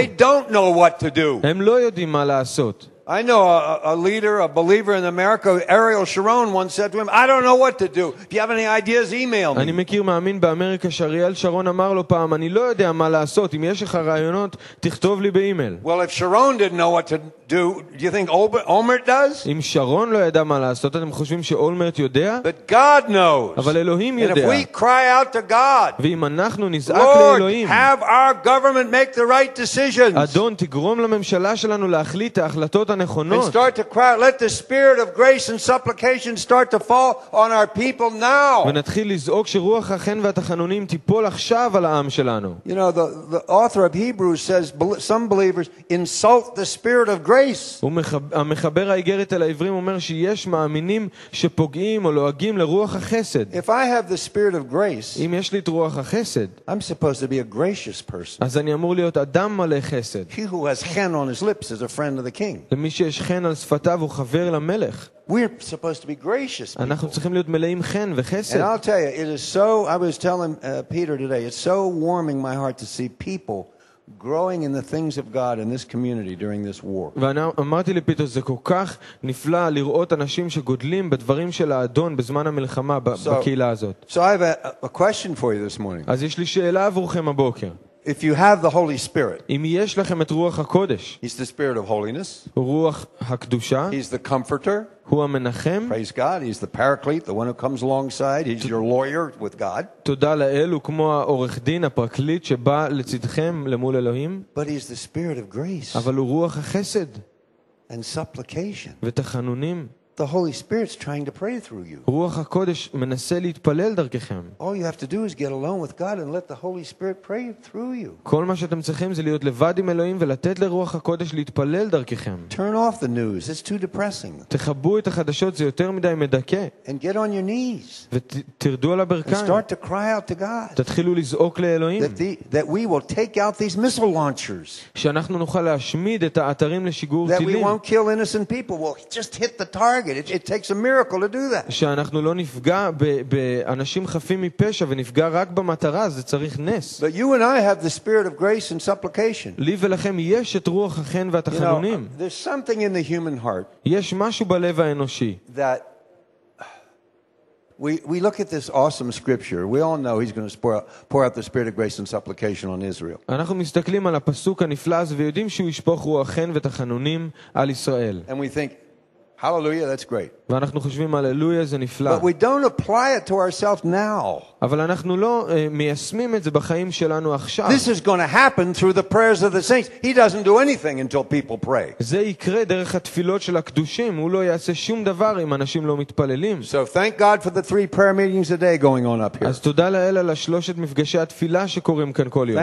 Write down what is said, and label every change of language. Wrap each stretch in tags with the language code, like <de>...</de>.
<en>They don't know what to do.</en> <he>הם לא יודעים מה לעשות.</he> <en>I know a leader, a believer in America, Ariel Sharon, once said to him, I don't know what to do. If you have any ideas, email me.</en> <he>אני מכיר מאמין באמריקה שאריאל שרון אמר לו פעם, אני לא יודע מה לעשות. אם יש לך רעיונות, תכתוב לי באימייל.</he> <en>Well, if Sharon didn't know what to do you think Olmert does?</en> <he>אם שרון לא ידע מה לעשות, אתם חושבים שאולמרט יודע?</he> <en>But God knows.</en> <he>אבל אלוהים יודע.</he> <en>And if we cry out to God,</en> <he>ואם אנחנו נזעק לאלוהים,</he> <en>have our government make the right decisions.</en> <he>אדון, תגרום לממשלה שלנו להחליט ההחלטות הנכונות.</he> <en>And start to cry, let the spirit of grace and supplication start to fall on our people now.</en> <he>ונתחיל לזעוק שרוח החן והתחנונים תיפול עכשיו על העם שלנו.</he> <en>You know, the author of Hebrews says some believers insult the spirit of grace.</en> <he>המחבר האיגרת אל העברים אומר שיש מאמינים שפוגעים או לועגים לרוח החסד.</he> <en>If I have the spirit of grace,</en> <he>אם יש לי את רוח החסד,</he> <en>I'm supposed to be a gracious person.</en> <he>אז אני אמור להיות אדם מלא חסד.</he> <en>He who has chen on his lips is a friend of the king.</en> <he>למי שיש חן על שפתיו הוא חבר למלך.</he> <en>We're supposed to be gracious people.</en> <he>אנחנו צריכים להיות מלאים חן וחסד.</he> <en>And I'll tell you, it is so, I was telling Peter today, it's so warming my heart to see people growing in the things of God in this community during this war.</en> <he>ואני אמרתי לפיטר, זה כל כך נפלא לראות אנשים שגודלים בדברים של האדון בזמן המלחמה בקהילה הזאת.</he> <en>So I have a question for you this morning.</en> <he>אז יש לי שאלה עבורכם הבוקר.</he> <en>If you have the Holy Spirit,</en> <he>אם יש לכם את רוח הקודש,</he> <en>He's the Spirit of holiness,</en> <he>רוח הקדושה,</he> <en>He's the Comforter,</en> <he>הוא המנחם,</he> <en>praise God, He's the Paraclete, the one who comes alongside, He's your lawyer with God,</en> <he>תודה לאל, הוא כמו העורך דין, הפרקליט שבא לצדכם למול אלוהים,</he> <en>but He's the Spirit of grace,</en> <he>אבל הוא רוח החסד,</he> <en>and supplication,</en> <he>ותחנונים.</he> <en>The Holy Spirit's trying to pray through you.</en> <he>רוח הקודש מנסה להתפלל דרככם.</he> <en>All you have to do is get alone with God and let the Holy Spirit pray through you.</en> <he>כל מה שאתם צריכים זה להיות לבד עם אלוהים ולתת לרוח הקודש להתפלל דרככם.</he> <en>Turn off the news, it's too depressing.</en> <he>תחבו את החדשות, זה יותר מדי מדכא.</he> <en>And get on your knees.</en> <he>ותרדו על הברכיים.</he> <en>Start to cry out to God.</en> <he>תתחילו לזעוק לאלוהים.</he> <en>That we will take out these missile launchers.</en> <he>שאנחנו נוכל להשמיד את האתרים לשיגור טילים.</he> <en>That we won't kill innocent people, we'll just hit the target. It takes a miracle to do that.</en> <he>שאנחנו לא נפגע באנשים חפים מפשע ונפגע רק במטרה, זה צריך נס.</he> <en>But you and I have the spirit of grace and supplication.</en> <he>לי ולכם יש את רוח החן והתחנונים.</he> <en>There's something in the human heart.</en> <he>יש משהו בלב האנושי.</he> <en>That we look at this awesome scripture. We all know he's going to pour out the spirit of grace and supplication on Israel.</en> <he>אנחנו מסתכלים על הפסוק הנפלא הזה ויודעים שהוא ישפוך רוח החן והתחנונים על ישראל.</he> <en>And we think Hallelujah, that's great.</en> <he>ואנחנו חושבים הללויה זה נפלא.</he> <en>But we don't apply it to ourselves now.</en> <he>אבל אנחנו לא מיישמים את זה בחיים שלנו עכשיו.</he> <en>This is going to happen through the prayers of the saints. He doesn't do anything until people pray.</en> <he>זה יקרה דרך התפילות של הקדושים, הוא לא יעשה שום דבר אם אנשים לא מתפללים.</he> <en>So thank God for the three prayer meetings a day going on up here.</en> <he>אז תודה לאל על שלושת מפגשי התפילה שקורים כאן כל יום.</he>